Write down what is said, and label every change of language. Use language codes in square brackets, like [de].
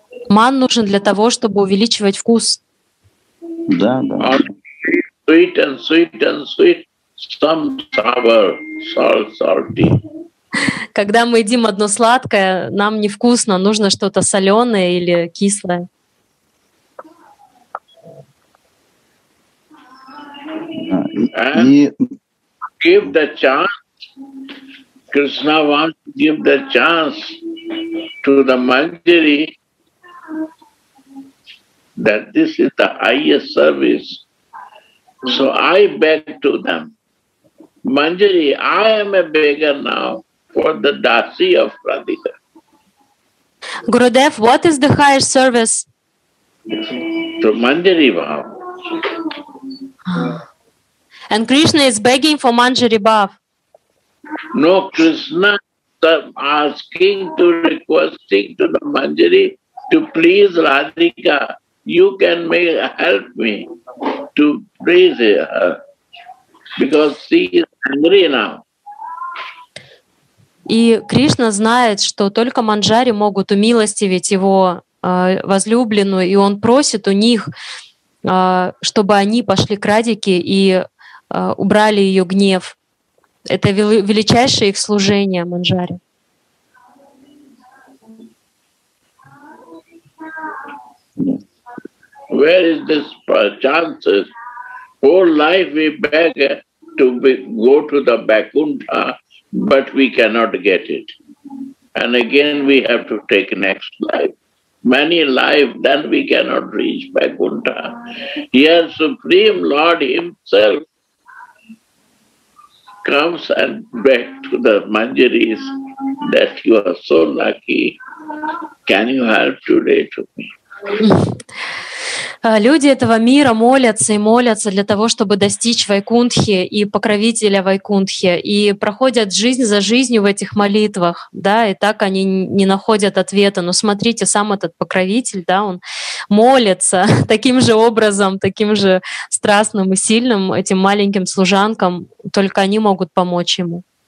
[ru] Man нужен для того, чтобы увеличивать вкус. Да, да. [en] Sweet and sweet and sweet, some sour, salt, salty. [ru] Когда мы едим одно сладкое, нам невкусно, нужно что-то соленое или кислое. [en] And give the chance. Krishna wants to give the chance to the Manjari. That this is the highest service. So I beg to them, Manjari, I am a beggar now for the Dasi of Radhika. Gurudev, what is the highest service? To Manjari Bhav. And Krishna is begging for Manjari Bhav. No, Krishna asking to requesting to the Manjari to please Radhika. You can make help me to praise her because she is angry now. [ru] И Кришна знает, что только Манджари могут умилостивить его возлюбленную, и он просит у них, чтобы они пошли к Радике и убрали ее гнев. Это величайшее их служение Манджари. [en] Where is this chance? Whole life we beg to be, go to the Vaikuntha, but we cannot get it. And again we have to take next life. Many life, then we cannot reach Vaikuntha. Here Supreme Lord Himself comes and begs to the Manjaris that you are so lucky. Can you help today to me? [ru] Люди этого мира молятся и молятся для того, чтобы достичь Вайкунтхи и покровителя Вайкунтхи, и проходят жизнь за жизнью в этих молитвах, да, и так они не находят ответа. Но смотрите, сам этот покровитель, да, он молится таким же образом, таким же страстным и сильным этим маленьким служанкам, только они могут помочь ему.